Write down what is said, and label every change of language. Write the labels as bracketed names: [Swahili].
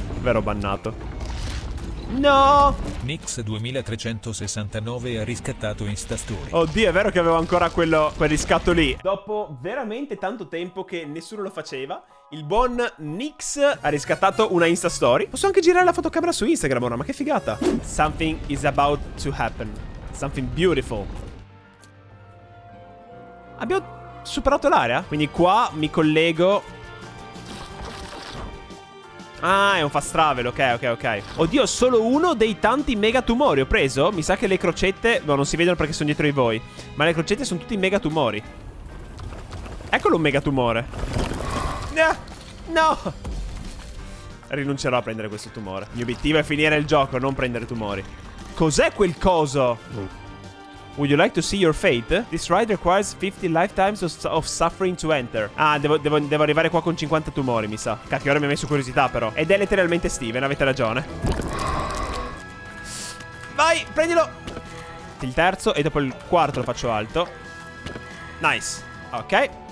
[Italian] Vero bannato. No! Nix 2369 ha riscattato Instastory. Oddio, è vero che avevo ancora quel riscatto lì. Dopo veramente tanto tempo che nessuno lo faceva, il buon Nix ha riscattato una Instastory. Posso anche girare la fotocamera su Instagram ora, ma che figata. [English] Something is about to happen. Something beautiful. [Italian] Abbiamo superato l'area? Quindi qua mi collego... Ah, è un fast travel, ok, ok, ok. Oddio, solo uno dei tanti mega tumori ho preso. Mi sa che le crocette... No, non si vedono perché sono dietro di voi. Ma le crocette sono tutti mega tumori. Eccolo un mega tumore. No! Rinuncerò a prendere questo tumore. Il mio obiettivo è finire il gioco, non prendere tumori. Cos'è quel coso? [English] Would you like to see your fate? This ride requires 50 lifetimes of suffering to enter. [Italian] Ah, devo arrivare qua con 50 tumori, mi sa. Cacchio, ora mi ha messo curiosità, però. Ed è letteralmente Steven, avete ragione. Vai, prendilo! Il terzo, e dopo il quarto lo faccio alto. Nice. Ok.